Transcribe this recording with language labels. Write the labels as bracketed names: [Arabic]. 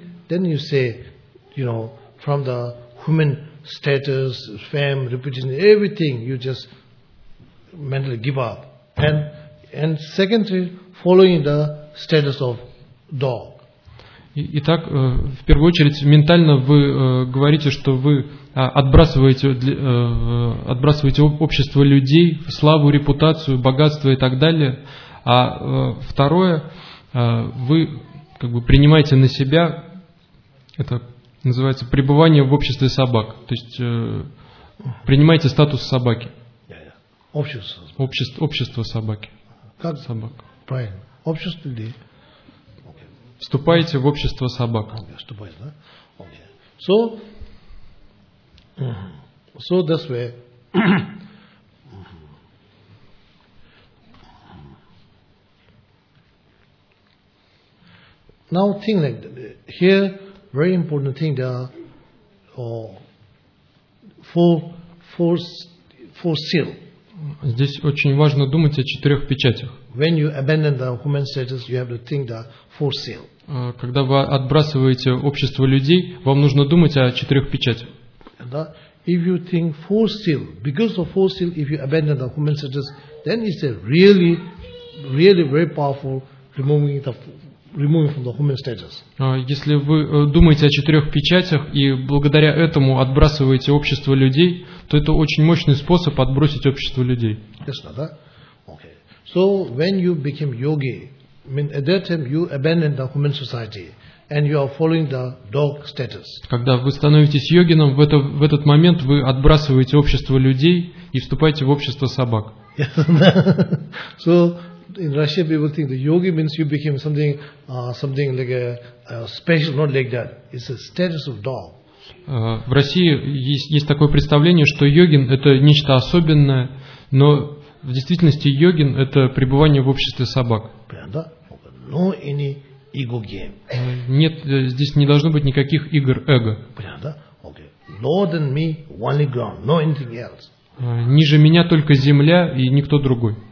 [English] Mentally, then you say, you know, from the human status, fame, reputation, everything, you just mentally give up. And secondly, following the status of dog. [Russian] Итак, в первую очередь ментально вы говорите, что вы отбрасываете общество людей, славу, репутацию, богатство и так далее. А второе, вы как бы принимаете на себя, это называется пребывание в обществе собак, то есть принимаете статус собаки. Общество. Общество собаки. Как собак? Правильно. Общество людей. Вступаете в общество собак. Вступаете, да? So. Mm-hmm. [English] So that's where now think like here very important thing there are four seal. [Russian] Здесь очень важно думать о четырех печатях. [English] When you abandon the human status, you have to think the four seal. [Russian] Когда вы отбрасываете общество людей, вам нужно думать о четырех печатях. Да. [English] If you think four seal, because of four seal, if you abandon the human status, then it's a really, really very powerful removing the. [Russian] Если вы думаете о четырех печатях и благодаря этому отбрасываете общество людей, то это очень мощный способ отбросить общество людей. Ясно, да? Okay. [English] So when you became yogi, I mean at that time you abandoned the human society and you are following the dog status. [Russian] Когда вы становитесь йогином, в этот момент вы отбрасываете общество людей и вступаете в общество собак. [English] So in Russia, people think the yogi means you became something like a special, not like that. It's a status of dog. [Russian] В России есть такое представление, что йогин это нечто особенное, но в действительности йогин это пребывание в обществе собак. [English] Да. No any ego game. [Russian] Нет, здесь не должно быть никаких игр эго. Понятно? Okay. [English] Lord and me, only ground, no anything else. [Russian] Ниже меня только земля и никто другой.